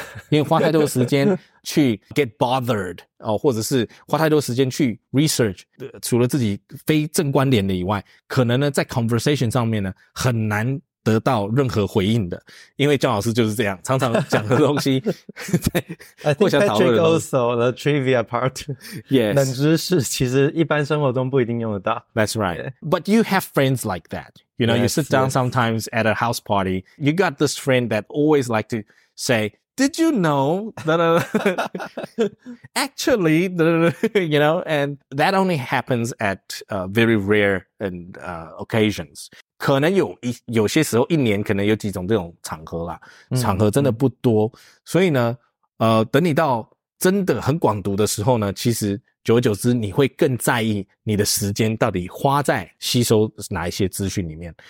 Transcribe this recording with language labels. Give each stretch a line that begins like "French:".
Chinese: 因为花太多时间去
English: get bothered,、
Chinese: 哦、或者是花太多时间去 research,、除了自己非正观点的以外，可能呢在 conversation 上面呢很难得到任何回应的。因为姜老师就是这样，常常讲的东西或想讨论的东西
English: the trivia part、 yes.
Chinese: 冷知识其实一般生活中不一定用得到。
English: That's right、yeah. But you have friends like that, you know, yes, you sit down、yes. sometimes at a house party, you got this friend that always like to say, did you know that actually you know, and that only happens at very rare and occasions.
Chinese: 可能有些时候一年可能有几种这种场合啦，场合真的不多、嗯、所以呢等你到真的很广读的时候呢，其实久而久之你会更在意你的时间到底花在吸收哪一些资讯里面，